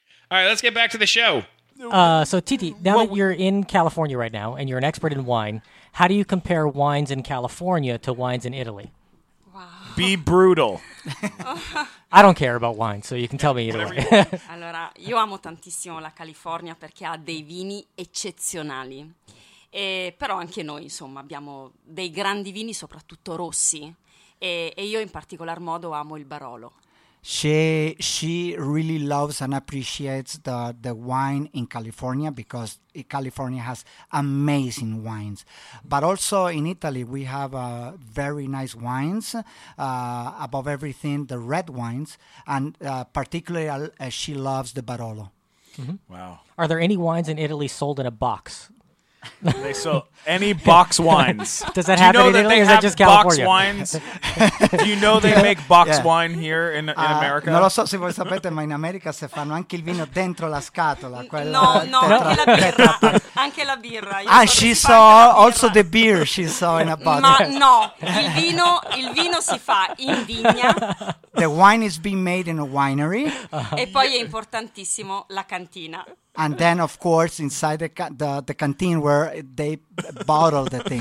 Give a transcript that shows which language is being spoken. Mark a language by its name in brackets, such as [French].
[English] All right. Let's get back to the show. So, Titi, now that you're in California right now and you're an expert in wine, how do you compare wines in California to wines in Italy? Be brutal. I don't care about wine, so you can tell me either way. [Italian] Allora, io amo tantissimo la California perché ha dei vini eccezionali. E, però anche noi, insomma, abbiamo dei grandi vini, soprattutto rossi. E io in particolar modo amo il Barolo. [English] She really loves and appreciates the wine in California because California has amazing wines. But also in Italy, we have very nice wines, above everything, the red wines, and particularly she loves the Barolo. Mm-hmm. Wow. Are there any wines in Italy sold in a box? They sell any box wines. Does that happen in Italy, or is that just California? Do you know they make box wines? Do you know they make box wine here in America? [Italian] Non lo so se voi sapete, ma in America se fanno anche il vino dentro la scatola. No, anche la birra. [English] Ah, she saw also the beer she saw in a bottle. [Italian] Ma no, il vino si fa in vigna. [English] The wine is being made in a winery. [Italian] Uh-huh. E poi è importantissimo la cantina. [English] And then, of course, inside the canteen where they bottle the thing.